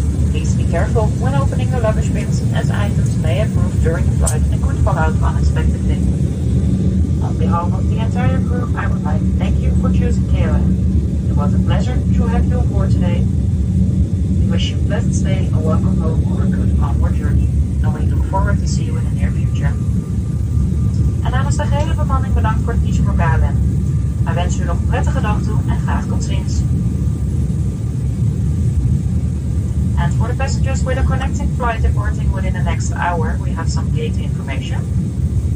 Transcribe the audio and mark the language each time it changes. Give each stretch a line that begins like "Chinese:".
English: Please be careful when opening your luggage bins, as items may have moved during the flight and could fall out unexpectedly. On behalf of the entire crew, I would like to thank you for choosing KLM. It was a pleasure to have you aboard today. We wish you a pleasant stay, a welcome home, or a good onward journey, and we look forward to seeing you in the near future.
Dutch: En namens de hele bemanning bedankt voor het kiezen voor KLM. Wij wensen u nog een prettige dag toe en graag tot ziens.
English: And for the passengers with a connecting flight departing within the next hour, we have some gate information.